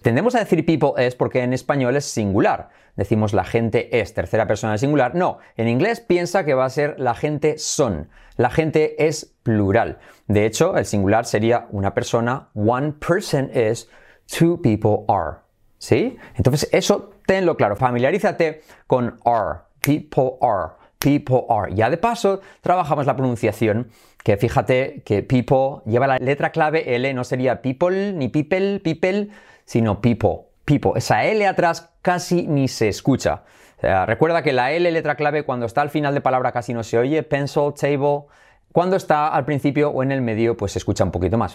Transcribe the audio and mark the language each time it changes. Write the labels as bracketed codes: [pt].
[es] Tendemos a decir [en] people is [es] porque en español es singular. Decimos la gente es, tercera persona del singular. No, en inglés piensa que va a ser la gente son. La gente es plural. De hecho, el singular sería una persona. [en] One person is, two people are. [es] ¿Sí? Entonces, eso tenlo claro. Familiarízate con are. [en] People are. People are. [es] Ya de paso, trabajamos la pronunciación. Que fíjate que people lleva la letra clave L. No sería people, ni people, people, sino people. People. Esa L atrás casi ni se escucha. Recuerda que la L, letra clave, cuando está al final de palabra casi no se oye. Pencil, table. Cuando está al principio o en el medio, pues se escucha un poquito más.